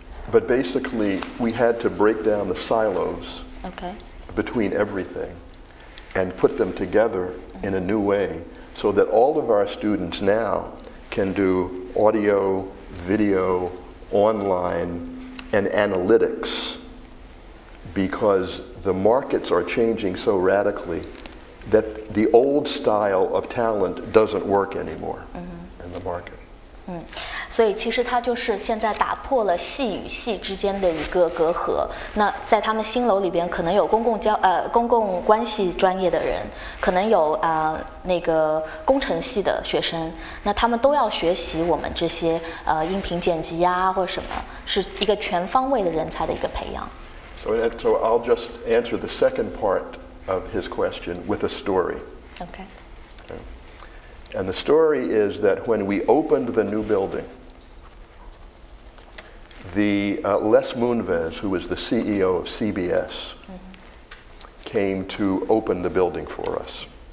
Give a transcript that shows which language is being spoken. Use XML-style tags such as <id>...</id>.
<en>But basically, we had to break down the silos between everything and put them together in a new way so that all of our students now can do audio, video, online, and analytics because the markets are changing so radically that the old style of talent doesn't work anymore in the market.</en> <zh>所以其实它就是现在打破了系与系之间的一个隔阂。那在他们新楼里边，可能有公共关系专业的人，可能有那个工程系的学生，那他们都要学习我们这些音频剪辑啊，或者什么，是一个全方位的人才的一个培养。</zh> <en>So I'll just answer the second part of his question with a story. Okay. And the story is that when we opened the new building, the Les Moonves, who was the CEO of CBS, came to open the building for us.</en>